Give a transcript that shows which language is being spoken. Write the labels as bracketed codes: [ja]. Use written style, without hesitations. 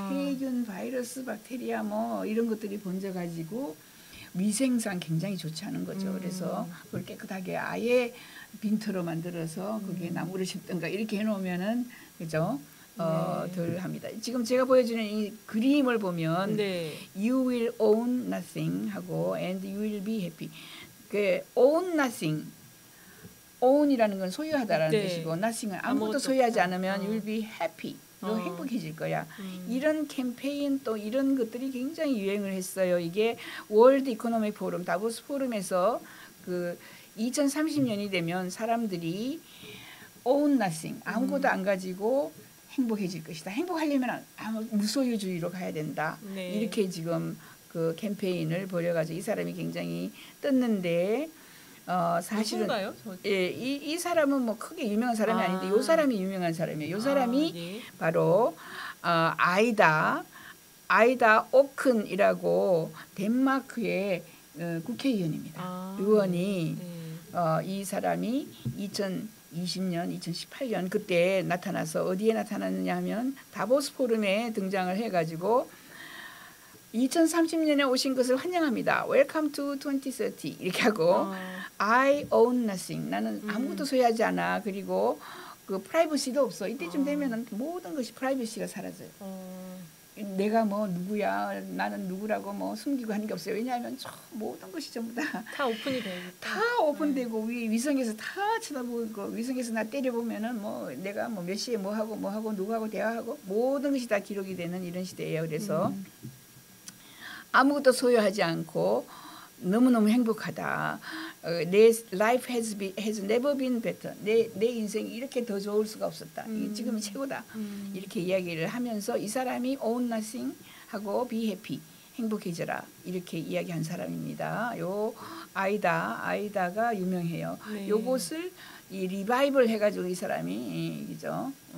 [ko] 세균, 바이러스, 박테리아 뭐 이런 것들이 번져가지고 위생상 굉장히 좋지 않은 거죠. 그래서 그걸 깨끗하게 아예 빈터로 만들어서 거기에 나무를 심든가 이렇게 해놓으면은 그죠? 덜 합니다. 지금 제가 보여주는 이 그림을 보면 네. [en] You will own nothing 하고 and you will be happy. 그 own nothing. [ko] own이라는 건 소유하다라는 네. 뜻이고 nothing은 아무것도 소유하지 않으면 [en] you'll be happy. [ko] 너 행복해질 거야. 이런 캠페인 또 이런 것들이 굉장히 유행을 했어요. 이게 월드 이코노믹 포럼 다보스 포럼에서 그 2030년이 되면 사람들이 [en] own nothing. [ko] 아무것도 안 가지고 행복해질 것이다. 행복하려면 무소유주의로 가야 된다. 네. 이렇게 지금 그 캠페인을 벌여가지고 이 사람이 굉장히 떴는데 사실은 예, 이 사람은 뭐 크게 유명한 사람이 아닌데 요 사람이 유명한 사람이에요. 요 사람이 예. 바로 아이다 오큰이라고 덴마크의 국회의원입니다. 의원이 네. 이 사람이 2020년, 2018년 그때 나타나서 어디에 나타났느냐 하면 다보스 포럼에 등장을 해가지고 2030년에 오신 것을 환영합니다. [en] Welcome to 2030 [ko] 이렇게 하고 [en] I own nothing. [ko] 나는 아무것도 소유하지 않아. 그리고 그 프라이버시도 없어. 이때쯤 되면은 모든 것이 프라이버시가 사라져요. 내가 뭐 누구야? 나는 누구라고 뭐 숨기고 하는 게 없어요. 왜냐하면 모든 것이 전부 다 오픈이 돼요. 다 오픈되고 위성에서 다 쳐다보고 있고 위성에서 나 때려보면은 뭐 내가 뭐 몇 시에 뭐 하고 누구하고 대화하고 모든 것이 다 기록이 되는 이런 시대예요. 그래서 아무것도 소유하지 않고 너무너무 행복하다. [en] 내 life has never been better. [ko] 내 인생이 이렇게 더 좋을 수가 없었다. 지금이 최고다. 이렇게 이야기를 하면서 이 사람이 [en] own nothing [ko] 하고 [en] be happy. [ko] 행복해져라. 이렇게 이야기한 사람입니다. 요 아이다가 유명해요. 네. 요것을 이 리바이벌 해가지고 이 사람이 그죠?